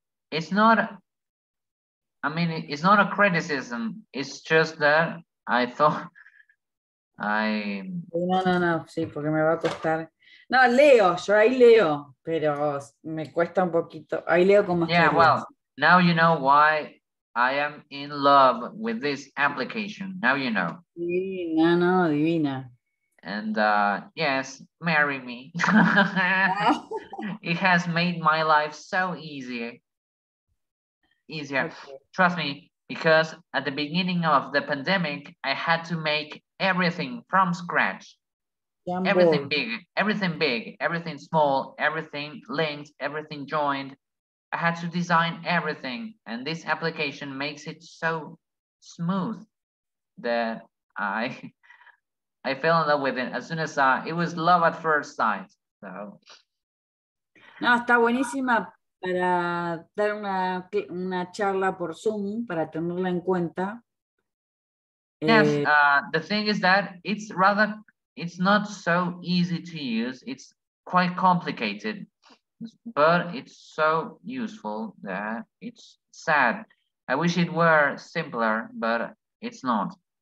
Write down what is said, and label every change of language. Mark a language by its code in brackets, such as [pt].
[en] It's not a criticism. It's just that I thought I... [es] No, sí, porque me va a costar. No, leo, yo ahí leo, pero me cuesta un poquito. Ahí leo con más [en] Yeah, [es] curiosos. [en] Well, now you know why I am in love with this application. Now you know. [es] Divina, no, divina. [en] And yes, marry me. It has made my life so easier. Okay. Trust me, because at the beginning of the pandemic, I had to make everything from scratch. Jumbo. Everything big, everything small, everything linked, everything joined. I had to design everything. And this application makes it so smooth that I fell in love with it as soon as it was love at first sight. So. [es] No, está buenísima. Para dar una charla por Zoom, para tenerla en cuenta. [en] Yes, the thing is that it's not so easy to use. It's quite complicated, but it's so useful that it's sad. I wish it were simpler, but it's not.